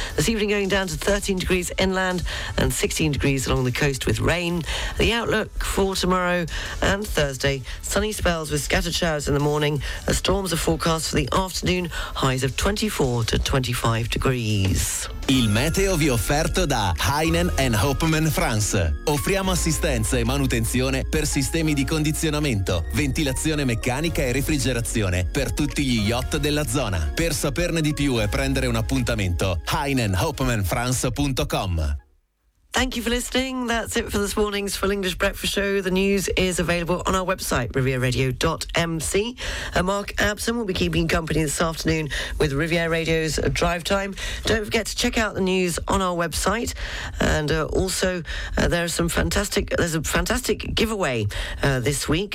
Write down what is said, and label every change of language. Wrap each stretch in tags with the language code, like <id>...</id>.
<en>This evening going down to 13 degrees inland and 16 degrees along the coast with rain. The outlook for tomorrow and Thursday, sunny spells with scattered showers in the morning. The storms are forecast for the afternoon, highs of 24 to 25 degrees.</en> <it>Il meteo vi offerto da Heinen & Hopman France. Offriamo assistenza e manutenzione per sistemi di condizionamento, ventilazione meccanica e refrigerazione per tutti gli yacht della zona. Per saperne di più e prendere un appuntamento, heinenhopmanfrance.com.</it> <en>Thank you for listening. That's it for this morning's Full English Breakfast Show. The news is available on our website, rivieraradio.mc. Mark Abson will be keeping you company this afternoon with Riviera Radio's Drive Time. Don't forget to check out the news on our website. And also, there's a fantastic giveaway this week.</en>